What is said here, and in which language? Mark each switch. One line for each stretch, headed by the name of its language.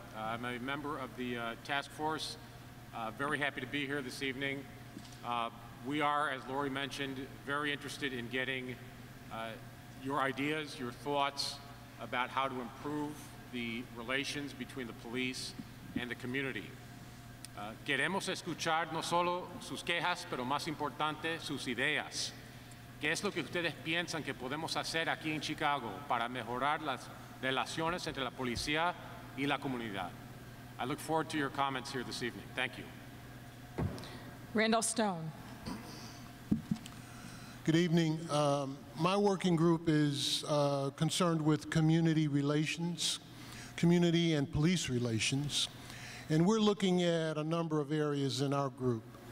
English: I'm a member of the task force. Very happy to be here this evening. We are, as Lori mentioned, very interested in getting your ideas, your thoughts about how to improve the relations between the police and the community.
Spanish: Queremos escuchar no solo sus quejas, pero más importante, sus ideas. ¿Qué es lo que ustedes piensan que podemos hacer aquí en Chicago para mejorar las relaciones entre la policía y la comunidad.
English: I look forward to your comments here this evening. Thank you. Randall Stone. Good evening. My working group is concerned with community relations, community and police relations, and we're looking at a number of areas in our group.